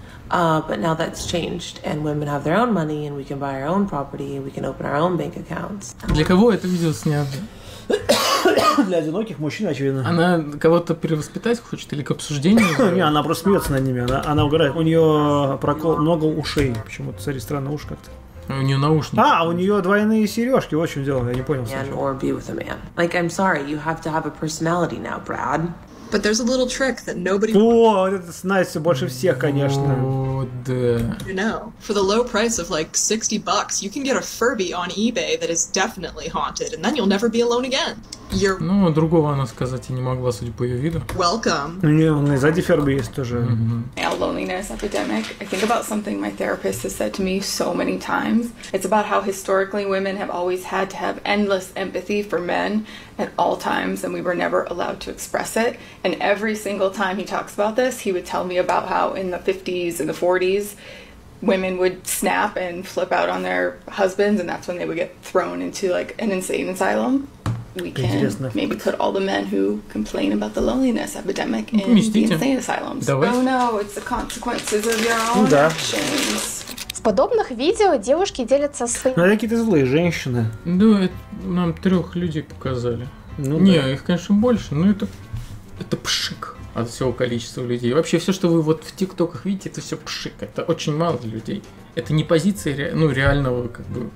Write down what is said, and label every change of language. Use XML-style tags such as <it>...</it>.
<en>But now that's changed, and women have their own money, and we can buy our own property, and we can open our own bank accounts.</en> <ru>Для кого это видео снято? Для одиноких мужчин, очевидно. Она кого-то перевоспитать хочет или к обсуждению? Не, она просто смеется над ними. Она угорает. У нее прокол много ушей. Почему-то, смотри, странно, уши как-то. У нее наушники. А, у нее двойные сережки. В общем, дело, я не понял.</ru> <en>Or be with a man. Like, I'm sorry, you have to have a personality now, Brad. But there's a little trick that nobody...</en> <ru>О, это с Настей больше всех, конечно. Вот, да.</ru> <en>You know, for the low price of like $60, you can get a Furby on eBay that is definitely haunted, and then you'll never be alone again. You're...</en> <ru>Ну, другого она сказать и не могла, судя по ее виду.</ru> <en>Welcome.</en> <ru>У нее на сзади Furby есть тоже.</ru> <en>A loneliness epidemic. I think about something my therapist has said to me so many times. It's about how historically women have always had to have endless empathy for men at all times, and we were never allowed to express it. And every single time he talks about this, he would tell me about how in the 50s and the 40s, women would snap and flip out on their husbands, and that's when they would get thrown into like an insane asylum. We can maybe put all the men who complain about the loneliness epidemic in the insane asylums. Oh no, it's the consequences of your own actions.</en> <ru>В подобных видео девушки делятся с... Ну, какие-то злые женщины. Да, нам трех людей показали. Ну, не, да, их, конечно, больше, но это... Это пшик от всего количества людей. Вообще, все, что вы вот в ТикТоках видите, это все пшик. Это очень мало людей. Это не позиция ну, реального, как бы.</ru>